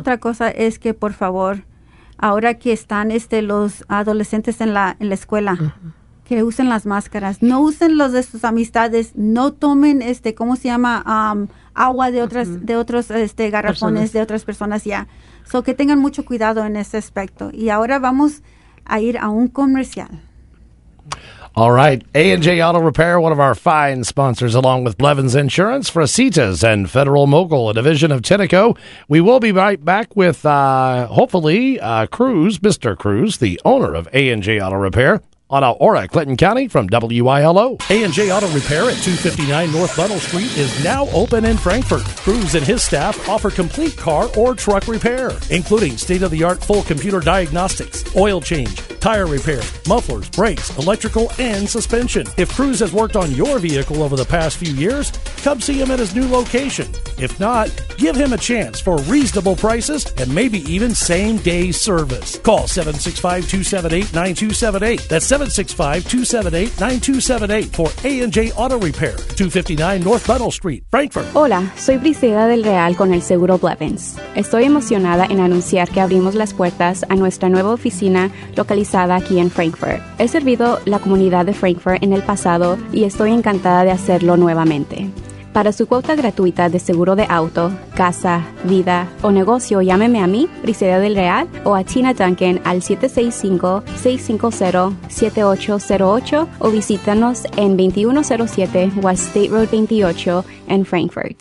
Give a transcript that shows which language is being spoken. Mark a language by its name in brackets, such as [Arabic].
[Spanish] Otra cosa es que, por favor, ahora que están los adolescentes en la escuela, uh-huh. que usen las máscaras, no usen los de sus amistades, no tomen agua de otras uh-huh. de otros garrafones personas. De otras personas ya. Yeah. [English] So [Spanish] que tengan mucho cuidado en ese aspecto. Y ahora vamos a ir a un comercial. [English] All right, A&J Auto Repair, one of our fine sponsors, along with Blevins Insurance, Frasitas, and Federal Mogul, a division of Tenneco. We will be right back with, Cruz, Mr. Cruz, the owner of A&J Auto Repair, on Aurora, Clinton County, from WILO. A&J Auto Repair at 259 North Buttle Street is now open in Frankfort. Cruz and his staff offer complete car or truck repair, including state-of-the-art full computer diagnostics, oil change, tire repair, mufflers, brakes, electrical, and suspension. If Cruz has worked on your vehicle over the past few years, come see him at his new location. If not, give him a chance for reasonable prices and maybe even same-day service. Call 765-278-9278. That's 765-278-9278 for A&J Auto Repair, 259 North Buttle Street, Frankfort. [Spanish] Hola, soy Briseida del Real con el Seguro Blevins. Estoy emocionada en anunciar que abrimos las puertas a nuestra nueva oficina localizada aquí en Frankfort. He servido la comunidad de Frankfort en el pasado y estoy encantada de hacerlo nuevamente. Para su cuota gratuita de seguro de auto, casa, vida o negocio, llámeme a mí, Briseida del Real, o a Tina Duncan al 765-650-7808 o visítanos en 2107 West State Road 28 en Frankfort.